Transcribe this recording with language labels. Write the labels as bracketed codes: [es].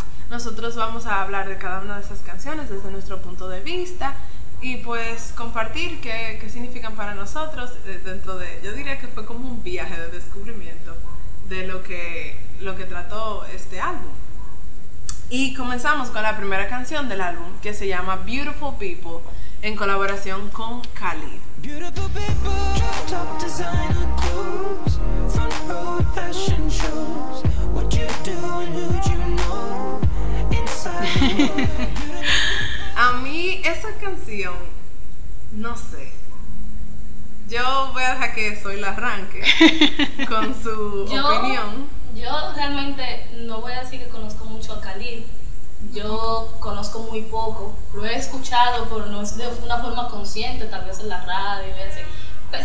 [es] Nosotros vamos a hablar de cada una de esas canciones desde nuestro punto de vista y pues compartir qué significan para nosotros dentro de... Yo diría que fue como un viaje de descubrimiento de lo que trató este álbum. Y comenzamos con la primera canción del álbum, que se llama Beautiful People, en colaboración con Khalid. [en] Beautiful people, top designer clothes, front row fashion shows, what you do and who you know, inside. [es] A mí esa canción, no sé, yo voy a dejar que Soy la arranque con su opinión. Yo realmente no voy a decir que conozco mucho a Khalid. Yo conozco muy poco. Lo he escuchado, pero no es de una forma consciente, tal vez en la radio, etc.